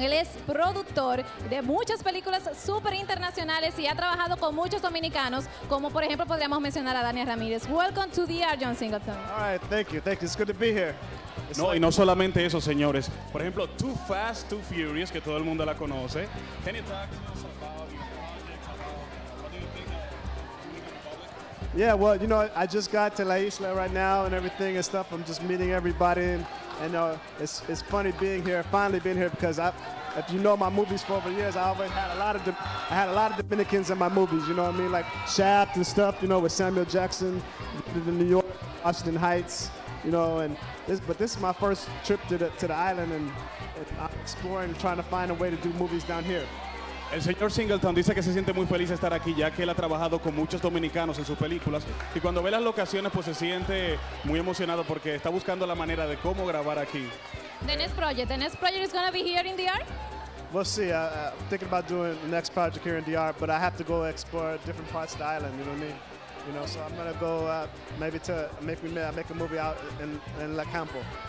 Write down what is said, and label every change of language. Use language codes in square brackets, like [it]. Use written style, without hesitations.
[es] Él es productor de muchas películas súper internacionales y ha trabajado con muchos dominicanos, como por ejemplo podríamos mencionar a Dania Ramírez. [en] Welcome to DR, John Singleton. All right, thank you. It's good to be here. [es] No, y no solamente eso, señores. Por ejemplo, Too Fast, Too Furious, que todo el mundo la conoce. [en] Can you talk to us about your project? What do you think of? Yeah, well, you know, I just got to La Isla right now and everything and stuff. I'm just meeting everybody. And it's funny being here, finally being here, because if you know my movies for over the years, I always had a lot of Dominicans in my movies, you know what I mean? Like Shaft and stuff, you know, with Samuel Jackson, the New York, Austin Heights, you know, but this is my first trip to the island, and I'm exploring, trying to find a way to do movies down here. [es] El señor Singleton dice que se siente muy feliz de estar aquí, ya que él ha trabajado con muchos dominicanos en sus películas. Y cuando ve las locaciones, pues se siente muy emocionado porque está buscando la manera de cómo grabar aquí. [en] The next project is going to be here in DR? We'll see. I'm thinking about doing the next project here in DR, but I have to go explore different parts of the island, you know what I mean? You know, so I'm going to go maybe make a movie out in La Campo.